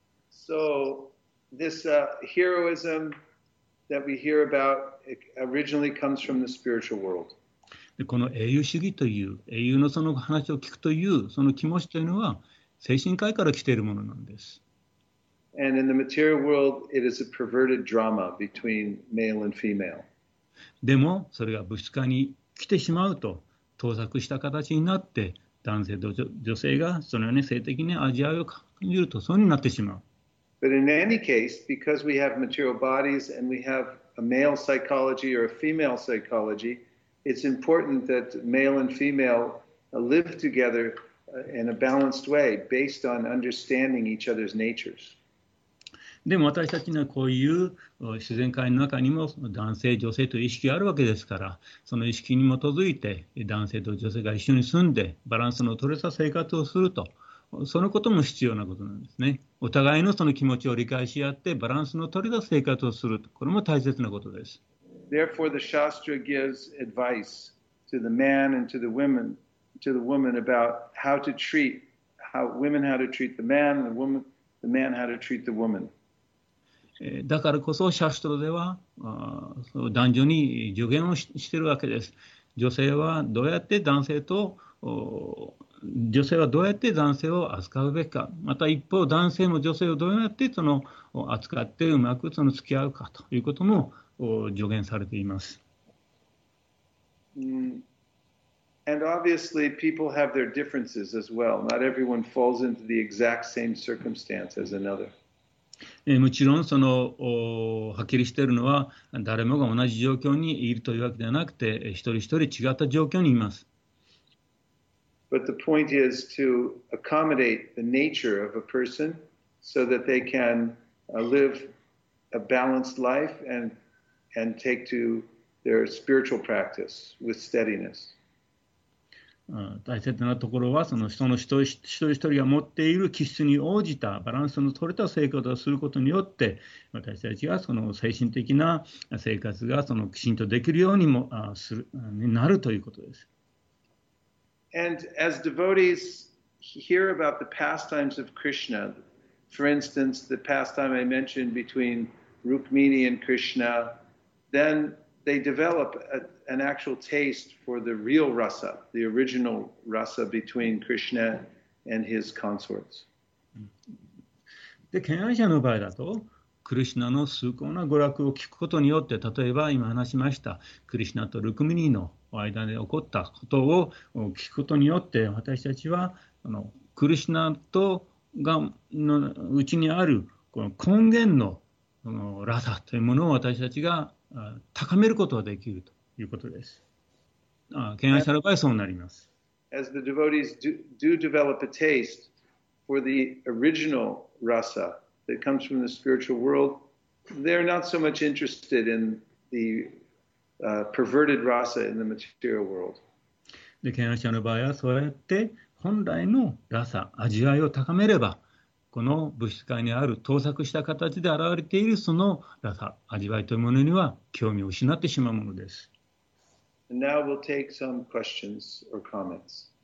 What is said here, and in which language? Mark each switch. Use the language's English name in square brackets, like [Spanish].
[English] So this heroism that we hear about originally comes from the spiritual world. [Japanese] でこの英雄主義という、英雄のその話を聞くというその気持ちというのは精神界から来ているものなんです。 [English] And in the material world, it is a perverted drama between male and female. [Japanese] でもそれが物質界に来てしまうと倒錯した形になって、男性と女性がそのように性的に味わいを感じるとそうになってしまう。 [English] But in any case, because we have material bodies and we have a male psychology or a female psychology, it's important that male and female live together in a balanced way based on understanding each other's natures. [Japanese] でも私たちにはこういう自然界の中にも男性女性という意識があるわけですから、その意識に基づいて男性と女性が一緒に住んでバランスの取れた生活をすると、そのことも必要なことなんですね。お互いのその気持ちを理解し合ってバランスの取れた生活をすると、これも大切なことです。 [English] Therefore the Shastra gives advice to the man and to the women, to the woman about how to treat, how women how to treat the man and the womanThe man how to treat the woman. [Japanese] だからこそシャストラでは男女に助言をしているわけです。女性はどうやって男性と、女性はどうやって男性を扱うべきか、また一方男性も女性をどうやってその扱ってうまくその付き合うかということも助言されています。 [English] And obviously, people have their differences as well. Not everyone falls into the exact same circumstance as another. [Japanese] もちろんその、はっきりしているのは、誰もが同じ状況にいるというわけではなくて、一人一人違った状況にいます。 [English] But the point is to accommodate the nature of a person so that they can live a balanced life and take to their spiritual practice with steadiness. [Japanese] 大切なところはその人の一人一人が持っている気質に応じたバランスの取れた生活をすることによって、私たちがその精神的な生活がそのきちんとできるようにもするになるということです。 [English] And as devotees hear about the pastimes of Krishna, for instance the pastime I mentioned between Rukmini and Krishna, thenThey develop an actual taste for the real rasa, the original rasa between Krishna and his consorts. [Japanese] で、賢愛者の場合だと、クリシュナの崇高な娯楽を聞くことによって、例えば今話しましたクリシュナとルクミニの間で起こったことを聞くことによって、私たちはあのクリシュナとがのうちにあるこの根源のラサというものを私たちが高めることができるということです。賢愛者の場合そうなります。 [English] As the devotees do develop a taste for the original rasa that comes from the spiritual world, they're not so much interested in the perverted rasa in the material world. [Japanese] 賢愛者の場合はそうやって本来のラサ、味わいを高めれば、この物質界にある倒錯した形で現れているそのラサ、味わいというものには興味を失ってしまうものです。 [English] Now we'll take some questions or comments.